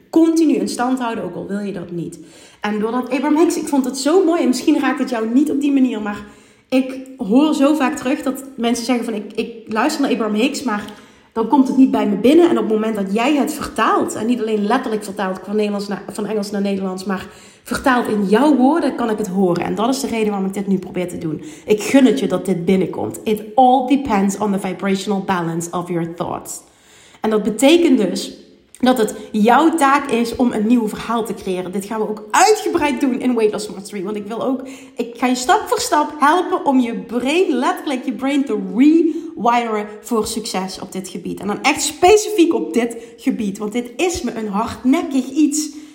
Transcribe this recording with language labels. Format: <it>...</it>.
<nl>Continu in stand houden, ook al wil je dat niet. En doordat Abraham Hicks, ik vond het zo mooi, en misschien raakt het jou niet op die manier, maar ik hoor zo vaak terug dat mensen zeggen van ik luister naar Abraham Hicks, maar dan komt het niet bij me binnen. En op het moment dat jij het vertaalt, en niet alleen letterlijk vertaalt van Engels naar Nederlands, maar vertaalt in jouw woorden, kan ik het horen. En dat is de reden waarom ik dit nu probeer te doen. Ik gun het je dat dit binnenkomt.</nl> <en>It all depends on the vibrational balance of your thoughts.</en> <nl>En dat betekent dus dat het jouw taak is om een nieuw verhaal te creëren. Dit gaan we ook uitgebreid doen in Weight Loss Mastery. Want ik ga je stap voor stap helpen om je brain, letterlijk je brain, te rewiren voor succes op dit gebied. En dan echt specifiek op dit gebied. Want dit is me een hardnekkig iets.</nl>